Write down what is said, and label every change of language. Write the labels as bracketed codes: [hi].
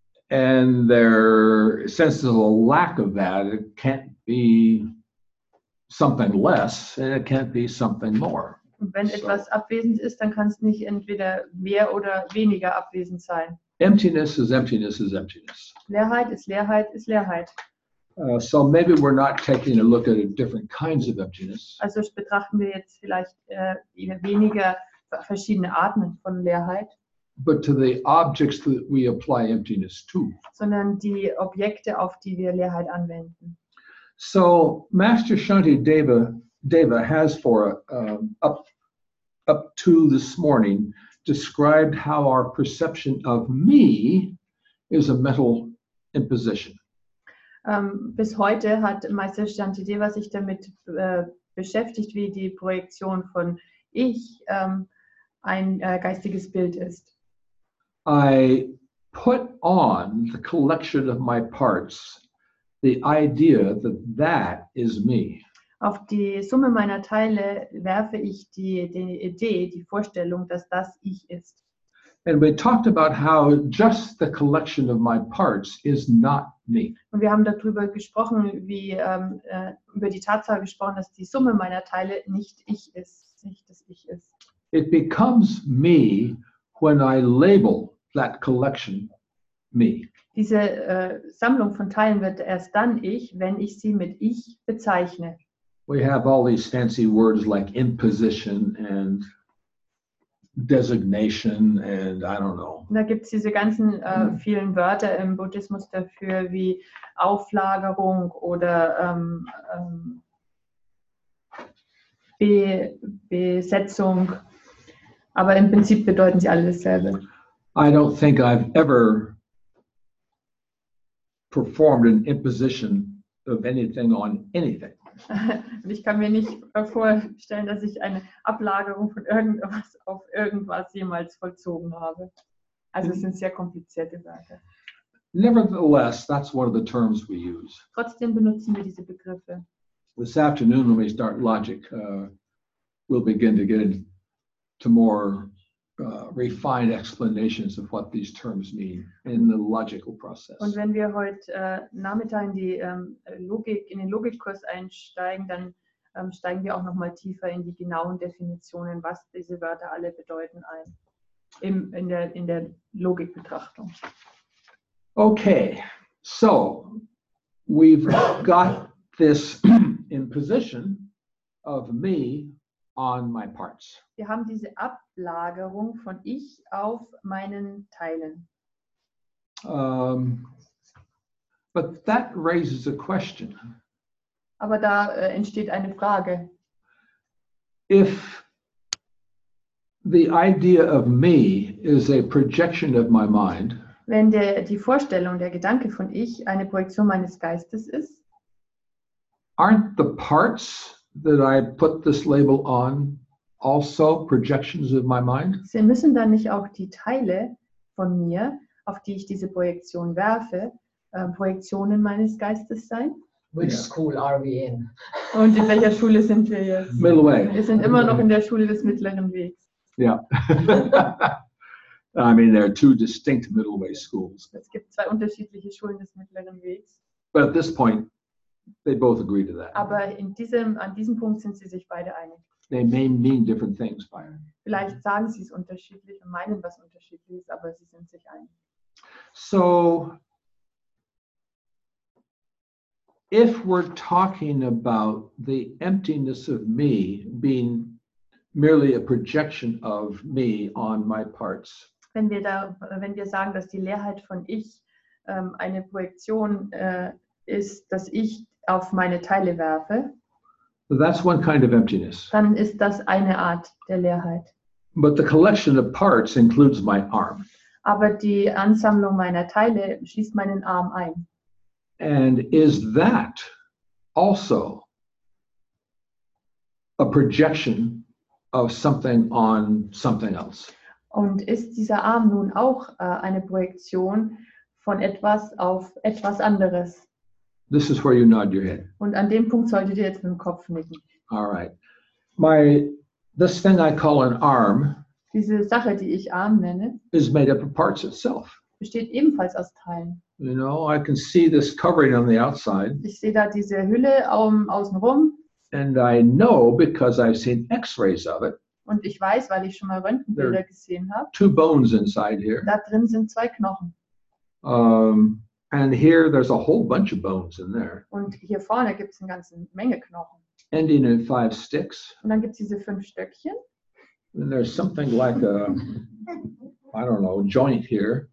[en] And there, since there's a lack of that, it can't be something less, and it can't be something more. [de] Und wenn etwas abwesend ist, dann kann es nicht entweder mehr oder weniger abwesend sein. [en] Emptiness is emptiness is emptiness. [de] Leerheit ist Leerheit ist Leerheit. [en] So maybe we're not taking a look at different kinds of emptiness. [de] Also betrachten wir jetzt vielleicht weniger verschiedene Arten von Leerheit. [en] But to the objects that we apply emptiness to. [de] Sondern die Objekte, auf die wir Leerheit anwenden. [en] So Master Shantideva has for up to this morning described how our perception of me is a mental imposition. [de] Bis heute hat Meister Shantideva sich damit beschäftigt, wie die Projektion von ich ein geistiges Bild ist. [en] I put on the collection of my parts the idea that that is me. [de] Auf die Summe meiner Teile werfe ich die Idee, die Vorstellung, dass das ich ist. [en] And we talked about how just the collection of my parts is not me. [de] Und wir haben darüber gesprochen, wie über die Tatsache gesprochen, dass die Summe meiner Teile nicht ich ist, nicht das ich ist. [en] It becomes me when I label that collection, me. [de] Diese Sammlung von Teilen wird erst dann ich, wenn ich sie mit ich bezeichne. [en] We have all these fancy words like imposition and designation and I don't know. [de] Da gibt's diese ganzen vielen Wörter im Buddhismus dafür, wie Auflagerung oder Besetzung. Aber im Prinzip bedeuten sie alle dasselbe. [en] I don't think I've ever performed an imposition of anything on anything. [de] Ich kann mir nicht vorstellen, dass ich eine Ablagerung von irgendwas auf irgendwas jemals vollzogen habe. Also es sind sehr komplizierte Wörter. [en] Nevertheless, that's one of the terms we use. [de] Trotzdem benutzen wir diese Begriffe. [en] This afternoon when we start logic, we'll begin to get into more refined explanations of what these terms mean in the logical process. [de] Und wenn wir heute Nachmittag in die Logik, in den Logikkurs einsteigen, dann steigen wir auch noch mal tiefer in die genauen Definitionen, was diese Wörter alle bedeuten, ein in der Logikbetrachtung. [en] Okay, so we've got this imposition of me on my parts. [de] Wir haben diese Ablagerung von ich auf meinen Teilen. [en] But that raises a question. [de] Aber da entsteht eine Frage. [en] If the idea of me is a projection of my mind, [de] wenn die Vorstellung, der Gedanke von ich eine Projektion meines Geistes ist, [en] aren't the parts that I put this label on also projections of my mind? [de] Sie müssen dann nicht auch die Teile von mir, auf die ich diese Projektion werfe, Projektionen meines Geistes sein? [en] Which school are we in? [de] Und in welcher Schule sind wir jetzt? [en] Middle way. [de] Wir sind immer noch in der Schule des mittleren Wegs. [en] Yeah. I mean, there are two distinct middle way schools. [de] Es gibt zwei unterschiedliche Schulen des mittleren Wegs. [en] But at this point, they both agree to that. [de] Aber an diesem Punkt sind sie sich beide einig. [en] They may mean different things by it. [de] Vielleicht sagen sie es unterschiedlich und meinen was unterschiedliches, aber sie sind sich einig. [en] So, if we're talking about the emptiness of me being merely a projection of me on my parts. [de] Wenn wir sagen, dass die Leerheit von ich eine Projektion ist, dass ich auf meine Teile werfe. [en] That's one kind of emptiness. [de] Dann ist das eine Art der Leerheit. [en] But the collection of parts includes my arm. [de] Aber die Ansammlung meiner Teile schließt meinen Arm ein. [en] And is that also a projection of something on something else? [de] Und ist dieser Arm nun auch eine Projektion von etwas auf etwas anderes? [en] This is where you nod your head. [de] Und an dem Punkt solltet ihr jetzt mit dem Kopf nicken. [en] All right. This thing I call an arm, [de] diese Sache, die ich Arm nenne, [en] is made up of parts itself. [de] Besteht ebenfalls aus Teilen. [en] You know, I can see this covering on the outside. [de] Ich sehe da diese Hülle außenrum. [en] And I know because I've seen x-rays of it. [de] Und ich weiß, weil ich schon mal Röntgenbilder gesehen habe. [en] Two bones inside here. [de] Da drin sind zwei Knochen. [en] And here there's a whole bunch of bones in there. [de] Und hier vorne gibt's eine ganze Menge Knochen. [en] Ending in five sticks. [de] Und dann gibt's diese fünf Stöckchen. [en] And there's something like a, I don't know, joint here.